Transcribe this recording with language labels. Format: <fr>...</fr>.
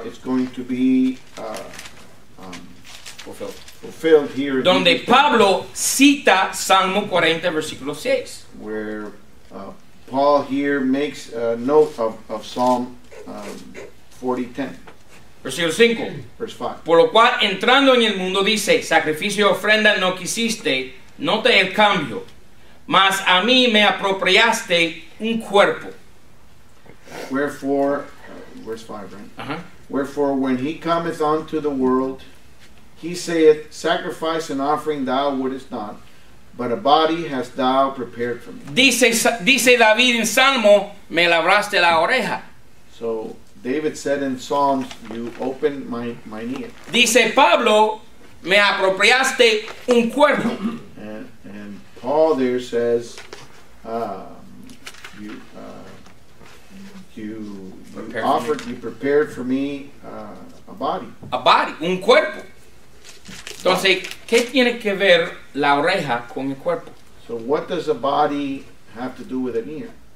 <en>It's going to be fulfilled. Fulfilled here.</en> <es>Donde Pablo cita Salmo 40, versículo 6.</es> <en>Where Paul here makes a note of Psalm 40:10.</en> <es>Versículo 5.</es> <en>Verse 5.</en> <es>Por lo cual, entrando en el mundo, dice, sacrificio y ofrenda no quisiste, note el cambio, mas a mí me apropiaste un cuerpo.</es> <en>Wherefore, verse 5, right? Uh-huh. Wherefore, when he cometh unto the world, he saith, sacrifice and offering thou wouldest not, but a body hast thou prepared for me.</en> <es>Dice David en Salmo, me labraste la oreja.</es> <en>So David said in Psalms, you opened my ear.</en> <es>Dice Pablo, me apropiaste un cuerpo.</es> <en>And Paul there says, you you prepared for me a body. A body,</en> <es>un cuerpo. Entonces, ¿qué tiene que ver la oreja con el cuerpo?</es> <en>So what does a body have to do with an ear?</en>